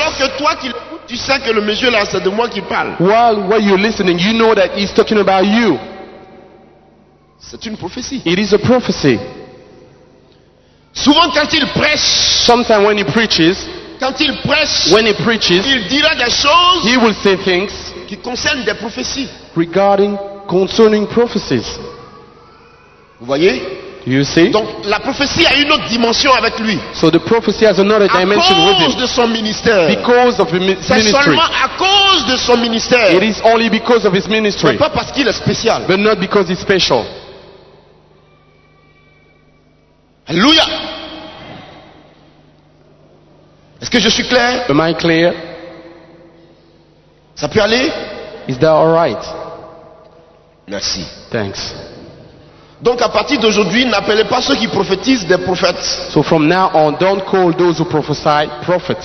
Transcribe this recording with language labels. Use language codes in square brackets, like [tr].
[fr] Alors que toi, tu sais que le monsieur là, c'est de moi qu'il parle. [en] While you're listening, you know that he's talking about you. [fr] C'est une prophétie. [en] It is a prophecy. [fr] Souvent quand il prêche. [en] Sometimes when he preaches. [fr] Quand il prêche. [en] When he preaches. [fr] Il dira des choses. [en] He will say things. [fr] Qui concerne des prophéties. [en] Concerning prophecies. [fr] Vous voyez? [en] You see? [fr] Donc la prophétie a une autre dimension avec lui. [en] So the prophecy has another dimension with him. [fr] À cause de son ministère. [en] Because of his ministry. [fr] C'est seulement à cause de son ministère. [en] It is only because of his ministry. [fr] Mais pas parce qu'il est spécial. [en] But not because he's special. [fr] Alléluia. Est-ce que je suis clair? [en] Am I clear? [fr] Ça peut aller? [en] Is that all right? [fr] Merci. [en] Thanks. [fr] Donc à partir d'aujourd'hui, n'appelez pas ceux qui prophétisent des prophètes. [en] So from now on, don't call those who prophesy prophets.